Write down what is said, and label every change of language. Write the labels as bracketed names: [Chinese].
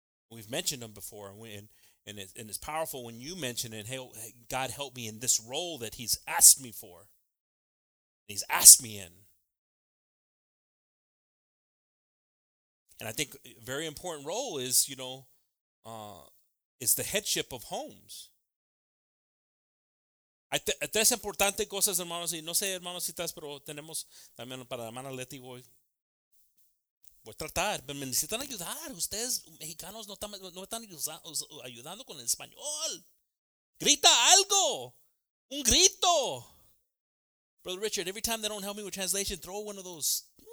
[English] We've mentioned them before, and it's powerful when you mention it, hey, God help me in this role that he's asked me for. He's asked me in. And I think a very important role is, you know, is the headship of homes. [Spanish] Hay tres importantes cosas, hermanos. Y no sé, hermanos, si estás, pero tenemos también para la hermana Leti. Voy a tratar. Me necesitan ayudar. Ustedes, mexicanos, no están ayudando con el español. Grita algo. Un grito. [English] Brother Richard, every time they don't help me with translation, throw one of those.